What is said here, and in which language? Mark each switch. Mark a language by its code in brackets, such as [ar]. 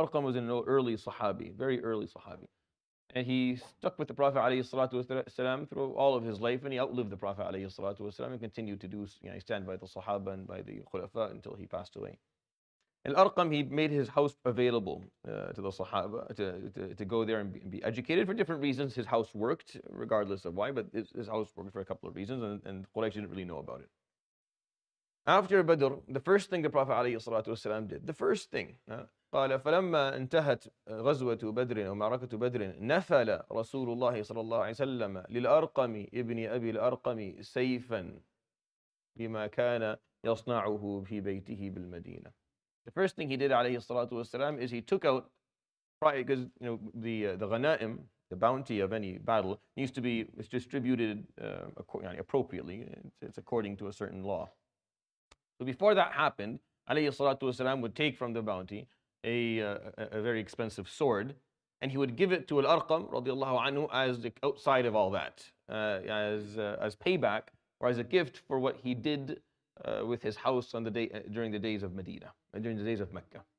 [en] Al-Arqam was an early Sahabi, very early Sahabi. And he stuck with the Prophet والسلام, through all of his life, and he outlived the Prophet والسلام, and continued to stand by the Sahaba and by the Khulafa until he passed away. Al-Arqam, he made his house available to the Sahaba to go there and be educated for different reasons. His house worked, regardless of why, but his house worked for a couple of reasons, and Quraysh didn't really know about it. After Badr, the first thing the Prophet ﷺ did, the first thing, [ar] قَالَ فَلَمَّا انْتَهَتْ غَزْوَةُ بَدْرٍ وَمَعْرَكَةُ بَدْرٍ نَفَلَ رَسُولُ اللَّهِ صَلَى اللَّهُ عَلَيْهِ وَسَلَّمَ لِلْأَرْقَمِ إِبْنِ أَبِي الْأَرْقَمِ سَيْفًا بِمَا كَانَ يَصْنَعُهُ فِي بَيْتِهِ بِالْمَدِينَةِ. [en] The first thing he did, alayhi salatu wasalam, is he took out, right, because you know the ghanaim, the bounty of any battle, needs to be distributed appropriately. It's according to a certain law. So before that happened, alayhi salatu wasalam would take from the bounty a very expensive sword, and he would give it to Al-Arqam, radiyallahu anhu, as the outside of all that, as payback, or as a gift for what he did with his house on the day during the days of Medina, during the days of Mecca.